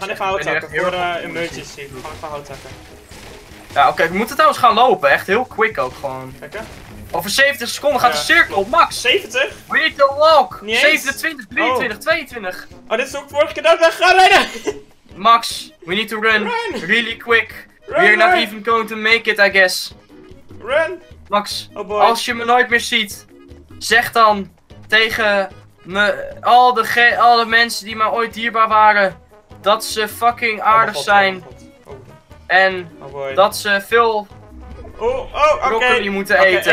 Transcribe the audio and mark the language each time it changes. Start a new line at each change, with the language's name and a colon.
Dutch: We gaan even hout hakken voor emergency. We gaan even hout hakken. Ja, oké, okay. We moeten trouwens gaan lopen, echt heel quick ook gewoon. Kijk, Over 70 seconden gaat de cirkel op max. 70?
English: We need to walk. 27, 23, 22.
Dutch: Oh, dit is ook vorige keer dat we gaan rennen.
English: Max, we need to run really quick. We're not even going to make it, I guess. Run.
Dutch: Max, als je me nooit meer ziet, zeg dan tegen me, alle mensen die mij ooit dierbaar waren, dat ze fucking aardig zijn. En dat ze veel broccoli moeten eten.